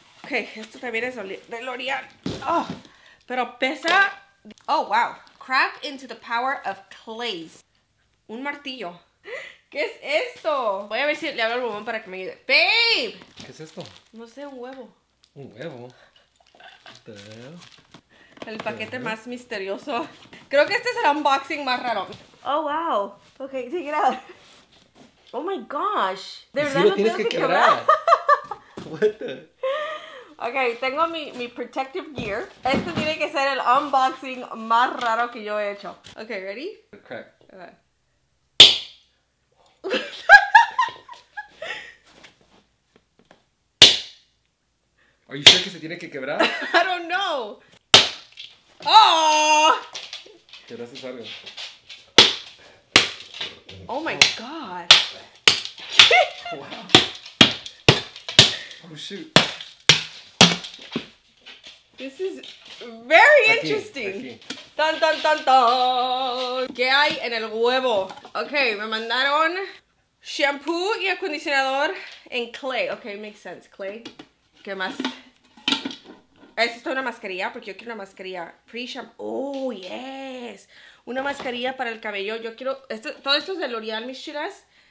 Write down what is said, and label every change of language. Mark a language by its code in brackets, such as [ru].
[es] Ok, esto también es de L'Oreal. Oh, pero pesa... Oh, wow. [en] Crack into the power of clays. [es] Un martillo. ¿Qué es esto? Voy a ver si le hablo al bombón para que me ayude. [en] ¡Babe! [es] ¿Qué es esto? No sé, un huevo. ¿Un huevo? El paquete más misterioso. Creo que este es el unboxing más raro. [en] Oh, wow. Ok, take it out. Oh my gosh. [es] De verdad, si lo no tienes tengo que quebrar. [en] What the? [es] Ok, tengo mi [en] protective gear. [es] Este tiene que ser el unboxing más raro que yo he hecho. [en] Ok, ready? Okay. Are you sure [es] que se tiene que quebrar? [en] I don't know. Oh. [es] ¿Quebraste algo? [en] Oh my god. Wow. Oh shoot. This is very aquí, interesting. [es] Aquí. Tan tan tan tan. ¿Qué hay en el huevo? Okay, me mandaron shampoo y acondicionador en clay. [en] Okay, makes sense. [es] Clay. ¿Qué más? Esto es una mascarilla, porque yo quiero una mascarilla pre-shampoo. [en] Oh, yes. [es] Una mascarilla para el cabello. Yo quiero... Este, todo esto es de L'Oreal, mis chicas.